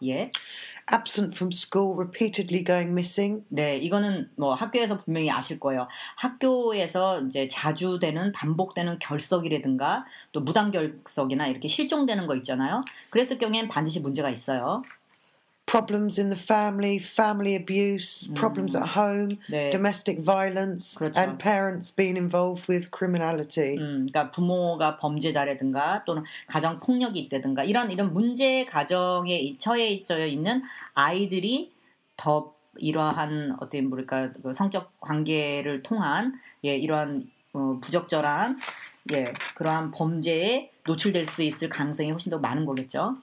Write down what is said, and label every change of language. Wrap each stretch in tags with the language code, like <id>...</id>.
<ko>예.</ko> <en>Absent from school, repeatedly going missing.</en> <ko>네, 이거는 뭐 학교에서 분명히 아실 거예요. 학교에서 이제 자주 되는 반복되는 결석이라든가 또 무단 결석이나 이렇게 실종되는 거 있잖아요. 그랬을 경우엔 반드시 문제가 있어요.</ko> <en>Problems in the family, family abuse, problems at home, 네. domestic violence,</en> <ko>그렇죠.</ko> <en>and parents being involved with criminality.</en> <ko>그러니까 부모가 범죄자라든가 또는 가정 폭력이 있다든가 이런 문제 가정에 처해져 있는 아이들이 더 이러한 어떻게 뭐랄까 그 성적 관계를 통한 예 이러한 부적절한 예 그러한 범죄에 노출될 수 있을 가능성이 훨씬 더 많은 거겠죠.</ko>